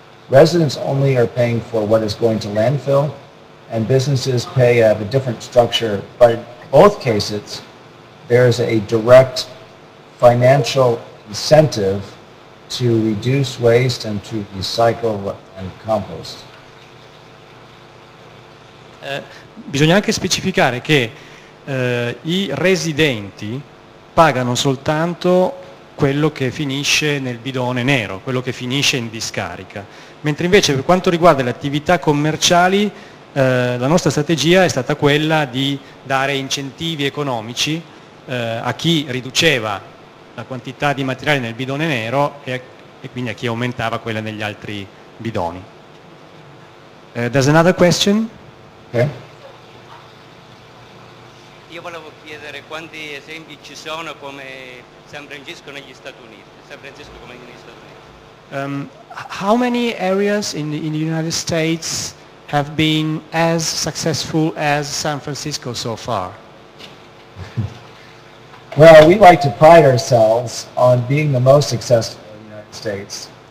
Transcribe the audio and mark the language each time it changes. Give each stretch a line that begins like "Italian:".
English: Residents only are paying for what is going to landfill, and businesses pay of a different structure, but both cases, there is a direct financial incentive to reduce waste and to recycle and compost.
Italian: Bisogna anche specificare che i residenti pagano soltanto quello che finisce nel bidone nero, quello che finisce in discarica. Mentre invece per quanto riguarda le attività commerciali, la nostra strategia è stata quella di dare incentivi economici a chi riduceva la quantità di materiale nel bidone nero e quindi a chi aumentava quella negli altri bidoni.
English: There's another question?
Italian: Io volevo chiedere quanti esempi ci sono come San Francisco negli Stati Uniti. San Francisco come negli Stati Uniti.
English: How many areas in the United States have been as successful as San Francisco so far? Well, we like to pride ourselves on being the most successful in the United States.